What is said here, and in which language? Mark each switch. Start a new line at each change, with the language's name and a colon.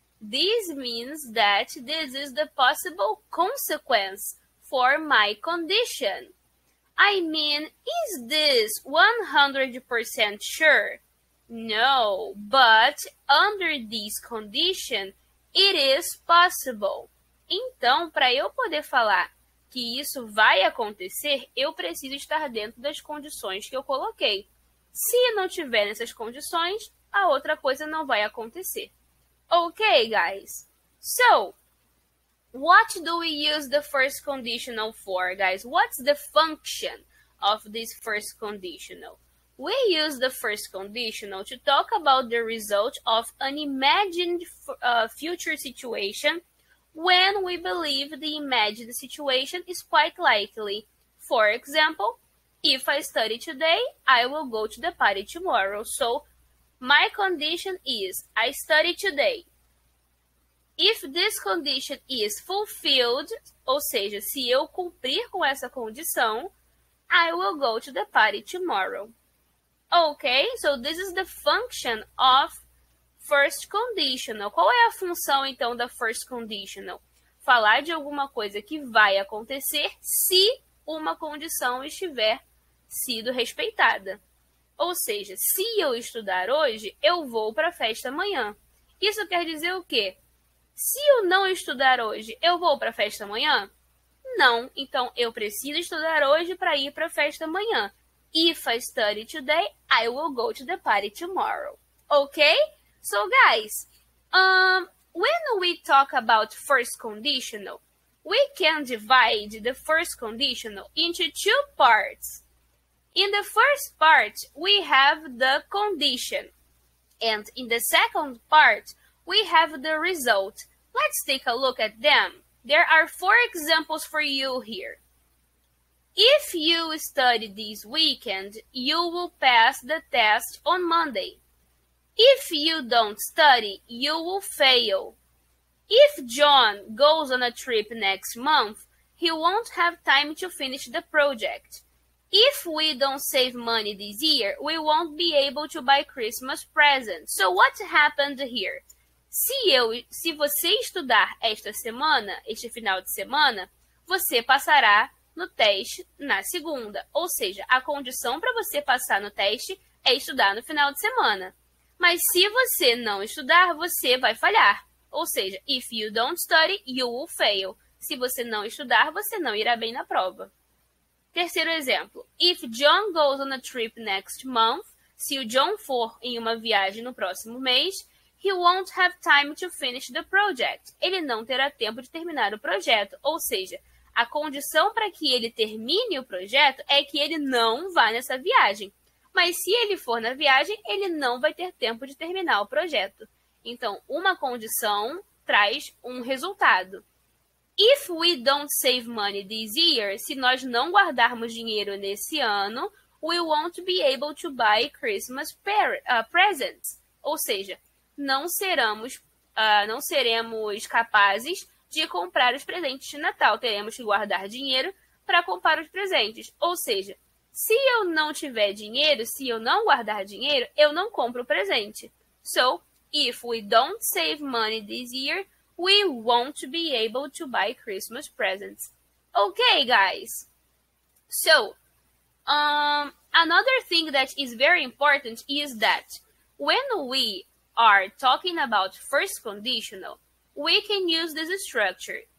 English: This means that this is the possible consequence for my condition. I mean, is this 100% sure? No, but under this condition, it is possible.
Portuguese: Então, para eu poder falar que isso vai acontecer, eu preciso estar dentro das condições que eu coloquei. Se não tiver nessas condições, a outra coisa não vai acontecer.
English: Ok, guys. So, what do we use the first conditional for, guys? What's the function of this first conditional? We use the first conditional to talk about the result of an imagined future situation when we believe the imagined situation is quite likely. For example, if I study today, I will go to the party tomorrow. So, my condition is I study today. If this condition is fulfilled,
Portuguese: ou seja, se eu cumprir com essa condição,
English: I will go to the party tomorrow. Okay, so this is the function of first conditional.
Portuguese: Qual é a função, então, da first conditional? Falar de alguma coisa que vai acontecer se uma condição estiver sido respeitada. Ou seja, se eu estudar hoje, eu vou para a festa amanhã. Isso quer dizer o quê? Se eu não estudar hoje, eu vou para a festa amanhã? Não. Então, eu preciso estudar hoje para ir para a festa amanhã.
English: If I study today, I will go to the party tomorrow. Ok? So, guys, when we talk about first conditional, we can divide the first conditional into two parts. In the first part, we have the condition. And in the second part, we have the result. Let's take a look at them. There are four examples for you here. If you study this weekend, you will pass the test on Monday. If you don't study, you will fail. If John goes on a trip next month, he won't have time to finish the project. If we don't save money this year, we won't be able to buy Christmas presents. So what happened here?
Portuguese: Se você estudar esta semana, este final de semana, você passará no teste na segunda. Ou seja, a condição para você passar no teste é estudar no final de semana. Mas se você não estudar, você vai falhar. Ou seja,
English: if you don't study, you will fail.
Portuguese: Se você não estudar, você não irá bem na prova. Terceiro exemplo.
English: If John goes on a trip next month,
Portuguese: se o John for em uma viagem no próximo mês,
English: he won't have time to finish the project.
Portuguese: Ele não terá tempo de terminar o projeto. Ou seja, a condição para que ele termine o projeto é que ele não vá nessa viagem. Mas se ele for na viagem, ele não vai ter tempo de terminar o projeto. Então, uma condição traz um resultado.
English: If we don't save money this year,
Portuguese: se nós não guardarmos dinheiro nesse ano,
English: we won't be able to buy Christmas presents.
Portuguese: Ou seja, não seremos capazes de comprar os presentes de Natal. Teremos que guardar dinheiro para comprar os presentes. Ou seja, se eu não tiver dinheiro, se eu não guardar dinheiro, eu não compro o presente.
English: So, if we don't save money this year, we won't be able to buy Christmas presents. Okay, guys. So, another thing that is very important is that when we are talking about first conditional, we can use this structure.